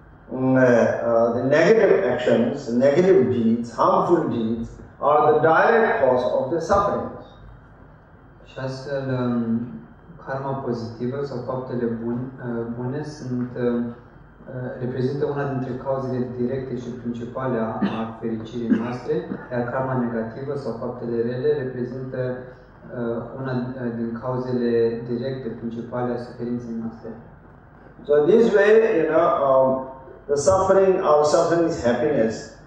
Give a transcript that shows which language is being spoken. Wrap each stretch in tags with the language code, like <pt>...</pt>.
<en>The negative actions, negative deeds, harmful deeds are the direct cause of the sufferings.</en> <ro>Și astfel karma pozitivă sau faptele bune sunt reprezintă una dintre cauzele directe și principale a fericirii noastre, iar karma negativă sau faptele rele reprezintă una din cauzele directe principale a suferinței noastre.</ro> <en>So this way, you know, the suffering, our suffering is happiness.</en>